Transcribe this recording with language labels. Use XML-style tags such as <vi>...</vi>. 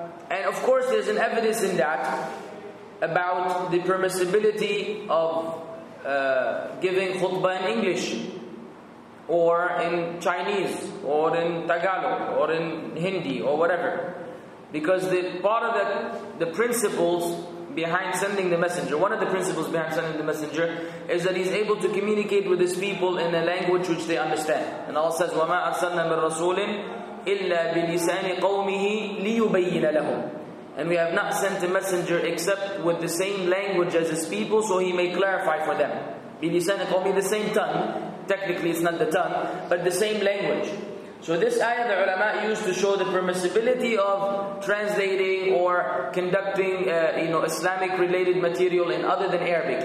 <en>And of course, there's an evidence in that about the permissibility of giving khutbah in English or in Chinese or in Tagalog or in Hindi or whatever, because the principles behind sending the Messenger, one of the principles behind sending the Messenger is that he's able to communicate with his people in a language which they understand. And Allah says,</en> <ar>وَمَا أَرْسَلْنَا مِنْ رَسُولٍ إِلَّا بِلِسَانِ قَوْمِهِ لِيُبَيِّنَ لَهُمْ.</ar> <en>And we have not sent a messenger except with the same language as his people, so he may clarify for them.</en> <ar>بِلِسَانِ قَوْمِهِ,</ar> <en>the same tongue. Technically it's not the tongue, but the same language. So this ayah the ulama used to show the permissibility of translating or conducting Islamic related material in other than Arabic.</en>